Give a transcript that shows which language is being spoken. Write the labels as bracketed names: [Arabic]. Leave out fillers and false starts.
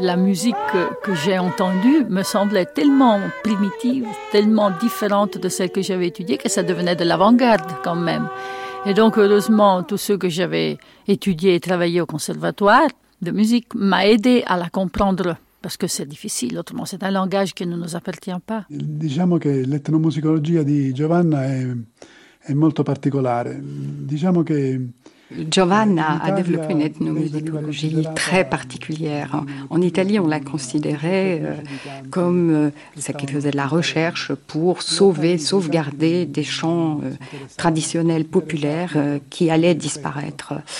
[French] La musique que j'ai entendue me semblait tellement primitive, tellement différente de celle que j'avais étudiée, que ça devenait de l'avant-garde quand même. Et donc, heureusement, tous ceux que j'avais étudiés et travaillés au conservatoire de musique m'a aidé à la comprendre, parce que c'est difficile, autrement c'est un langage qui ne nous appartient pas. [Italian] Diciamo che l'etnomusicologia di Giovanna è molto particolare. Diciamo che... [French] Giovanna a développé une ethnomusicologie très particulière. En Italie, on l'a considérée comme celle qui faisait de la recherche pour sauvegarder des chants traditionnels populaires qui allaient disparaître.